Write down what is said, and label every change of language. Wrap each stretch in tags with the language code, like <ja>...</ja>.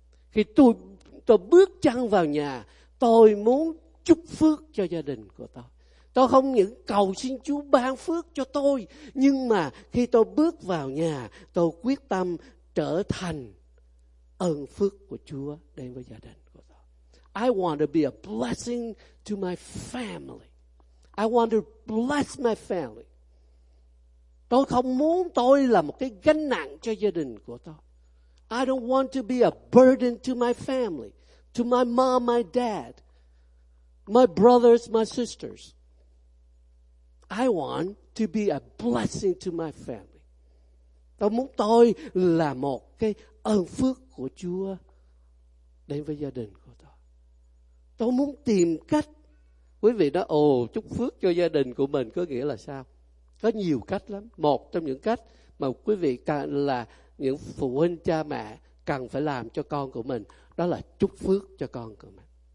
<vi>Khi tôi bước chân vào nhà, tôi muốn chúc phước cho gia đình của tôi. Tôi không những cầu xin Chúa ban phước cho tôi, nhưng mà khi tôi bước vào nhà, tôi quyết tâm trở thành ơn phước của Chúa đến với gia đình của tôi.</vi> <en>I want to be a blessing to my family. I want to bless my family.</en> <vi>Tôi không muốn tôi là một cái gánh nặng cho gia đình của tôi.</vi> <en>I don't want to be a burden to my family, to my mom, my dad, my brothers, my sisters. I want to be a blessing to my family.</en> <vi>Tôi muốn tôi là một cái ơn phước của Chúa đến với gia đình của tôi. Tôi muốn tìm cách. Quý vị nói, ồ, chúc phước cho gia đình của mình có nghĩa là sao? Có nhiều cách lắm. Một trong những cách mà quý vị cần là những phụ huynh cha mẹ cần phải làm cho con của mình, đó là chúc phước cho con của mình.</vi>